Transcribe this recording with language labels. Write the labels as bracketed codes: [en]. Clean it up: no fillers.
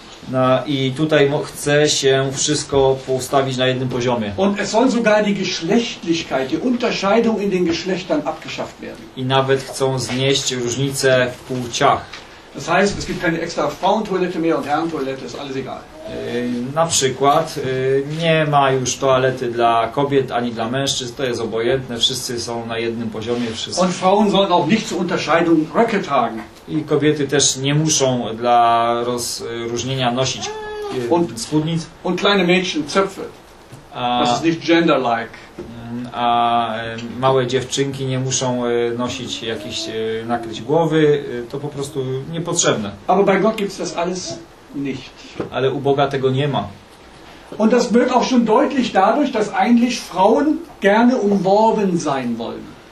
[pl] Na, i tutaj chce się wszystko postawić na jednym poziomie. [de] Und es soll sogar die Geschlechtlichkeit, die Unterscheidung in den Geschlechtern abgeschafft werden. [pl] I nawet chcą znieść różnice w płciach. [de] Das heißt, es gibt keine extra Frauentoilette mehr und Herrentoilette, ist alles egal. [pl] Na przykład nie ma już toalety dla kobiet ani dla mężczyzn, to jest obojętne, wszyscy są na jednym poziomie, wszyscy. [de] Und Frauen sollen auch nicht zur Unterscheidung Röcke tragen. [pl] I kobiety też nie muszą dla rozróżnienia nosić spódnic. [de] Und kleine Mädchen Zöpfe. Das ist nicht gender-like. [pl] A małe dziewczynki nie muszą nosić jakiś nakryć głowy, to po prostu niepotrzebne. [de] Aber bei Gott gibt's das alles nicht. [pl] Ale u Boga tego nie ma. [de] Und das wird auch schon deutlich dadurch, dass eigentlich Frauen gerne umworben sein wollen.